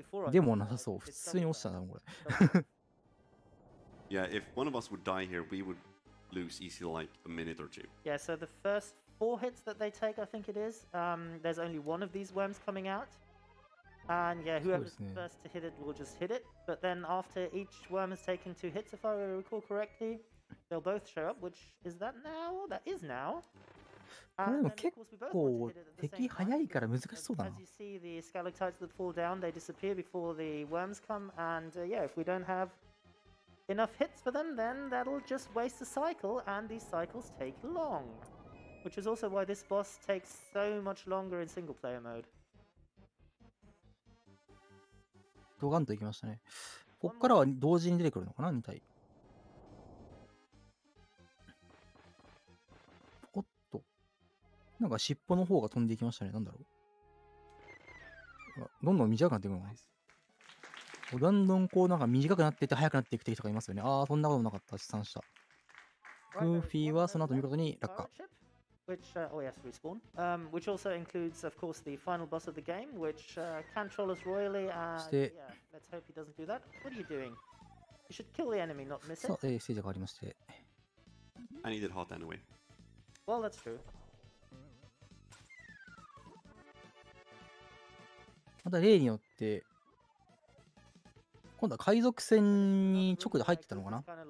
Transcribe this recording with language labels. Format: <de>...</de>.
<ja>でもなさそう、普通に落ちたんだもんこれ。</ja> <en>Yeah, if one of us would die here, we would lose easily like a minute or two. Yeah, so the first four hits that they take, I think it is, there's only one of these worms coming out. And yeah, whoever's first to hit it will just hit it. But then after each worm has taken two hits, if I recall correctly, they'll both show up, which is that now? That is now.</en> <ja>これでも結構敵早いから難しそうだな。スカルタイツが</ja> <en>fall down, they disappear before the worms come, and yeah, if we don't have enough hits for them, then that'll just waste the cycle, and these cycles take long. Which is also why this boss takes so much longer in single player mode.</en> <ja>ドガンといきましたね。こっからは同時に出てくるのかな、2体。なんか尻尾の方が飛んでいきましたね。なんだろう、どんどん短くなっていくのかな。どんどんこうなんか短くなっていって速くなっていく敵とかいますよね。ああ、そんなこともなかった。試算した。グーフィーはその後見事に落下。</ja> <en>Which, oh yes, respawn. Which also includes, of course, the final boss of the game, which controls royally. Let's hope he doesn't do that. What are you doing? You should kill the enemy, not miss it.</en> <ja>さあ、ステージが変わりまして。</ja> <en>I needed hot anyway. Well, that's true.</en> <ja>また例によって、今度は海賊船に直で入ってたのかな。</ja>